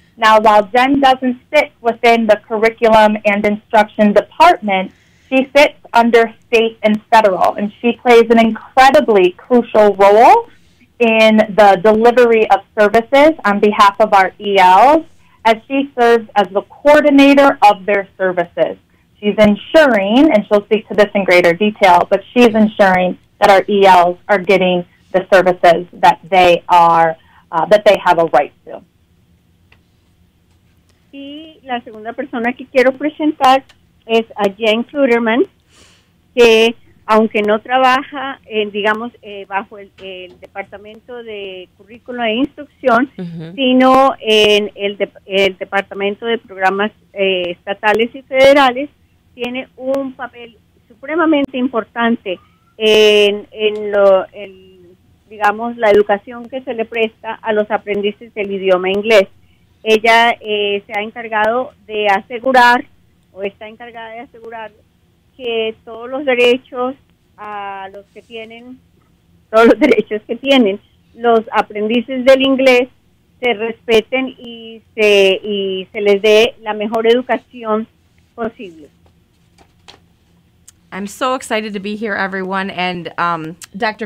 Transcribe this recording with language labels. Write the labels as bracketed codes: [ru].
[en] Now, while Jen doesn't sit within the curriculum and instruction department, she sits under state and federal, and she plays an incredibly crucial role in the delivery of services on behalf of our ELs, as she serves as the coordinator of their services. She's ensuring, and she'll speak to this in greater detail, but she's ensuring that our ELs are getting the services that they are, that they have a right to. [es] Y la segunda persona que quiero presentar es a Jen Kluterman, que aunque no trabaja en, digamos, bajo el Departamento de Currículo e Instrucción, mm-hmm. sino en el Departamento de Programas Estatales y Federales, tiene un papel supremamente importante en digamos, la educación que se le presta a los aprendices del idioma inglés. Ella se ha encargado de asegurar, o está encargada de asegurar, que todos los derechos a los que tienen, todos los derechos que tienen los aprendices del inglés se respeten y se les dé la mejor educación posible. [en] I'm so excited to be here, everyone, and Dr.